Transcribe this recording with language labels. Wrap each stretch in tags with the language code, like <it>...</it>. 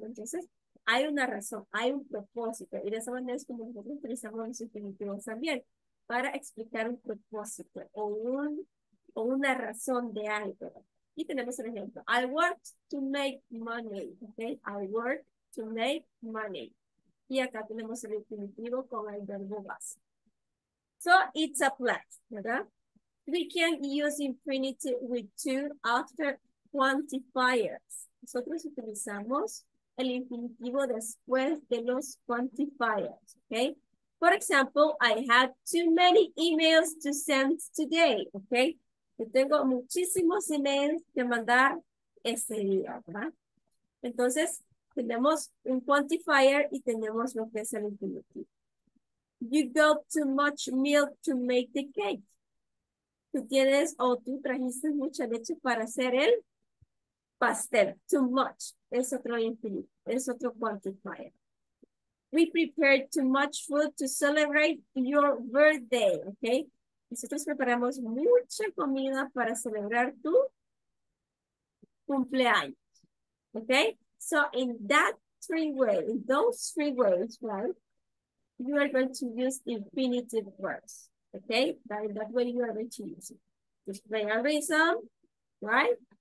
<es>Entonces, hay una razón, hay un propósito. Y de esa manera es como nosotros utilizamos los infinitivos también, para explicar un propósito o una razón de algo. Y tenemos un ejemplo.</es> <en>I work to make money. Okay? I work to make money.</en> <es>Y acá tenemos el infinitivo con el verbo base.</es> <en>So it's a plus, ¿verdad? We can use infinitive with two after quantifiers.</en> <es>Nosotros utilizamos el infinitivo después de los quantifiers, okay?</es> <en>For example, I had too many emails to send today, okay?</en> <es>Yo tengo muchísimos emails que mandar ese día, ¿verdad? Entonces, tenemos un quantifier y tenemos lo que es el infinitivo.</es> <en>You got too much milk to make the cake.</en> <es>Tú tienes o tú trajiste mucha leche para hacer el pastel, too much, es otro infinito, es otro quantifier.</es> <en>We prepared too much food to celebrate your birthday, okay?</en> <es>Nosotros preparamos mucha comida para celebrar tu cumpleaños.</es> <en>Okay? So in that three ways, in those three ways, right? You are going to use infinitive verbs. Okay? That way you are going to use it. To explain a reason, right?</en>